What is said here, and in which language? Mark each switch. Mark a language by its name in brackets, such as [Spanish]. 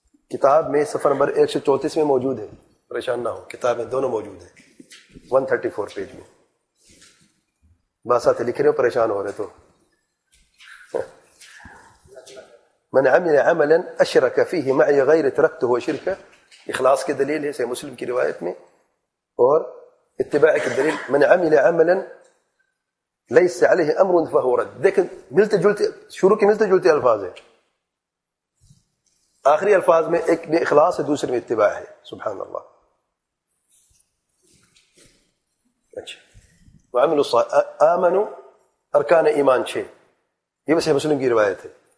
[Urdu] کتاب میں صفحہ نمبر 134 میں موجود ہے، پریشان نہ ہو، کتاب میں دونوں موجود ہیں، 134 پیج میں. بات ساتھ لکھ رہے ہو، پریشان ہو رہے تو، [Arabic] من عمل عملا اشرك فيه معي غير تركته وشركه، [Urdu] اخلاص کی دلیل ہے، صحیح مسلم کی روایت میں. اور اتباع کی دلیل، [Arabic] من عمل عملا ليس عليه امر فهو رد. [Urdu] دیکھیں، ملتے جلتے، شروع کی ملتے جلتے الفاظ ہیں، آخری الفاظ میں ایک میں اخلاص ہے، دوسرے میں اتباع ہے، سبحان اللہ. اچھا، وعملوا آمنوا، ارکان ایمان چھ، یہ بس صحیح مسلم کی روایت ہے.